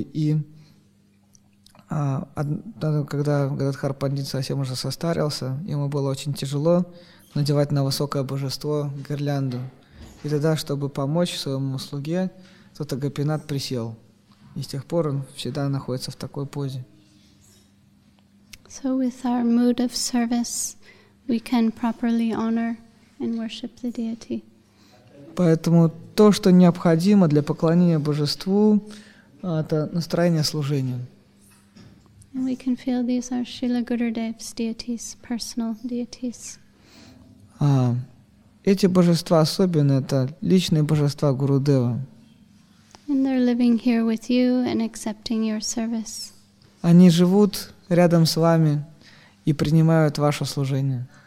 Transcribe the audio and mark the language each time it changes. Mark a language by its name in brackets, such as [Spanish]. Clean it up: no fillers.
[Russian] И когда Гададхар Пандит совсем уже состарился, ему было очень тяжело надевать на высокое божество гирлянду. И тогда, чтобы помочь своему слуге, Тота Гопинат присел. И с тех пор он всегда находится в такой позе. [English] So with our mood of service, we can properly honor and worship the deity. [Russian] Поэтому то, что необходимо для поклонения божеству, это настроение служения. [English] And we can feel these are Srila Gurudev's deities, personal deities. [Russian] Эти божества особенно это личные божества Гурудева. [English] And they're living here with you and accepting your service. [Russian] Они живут рядом с вами и принимают ваше служение.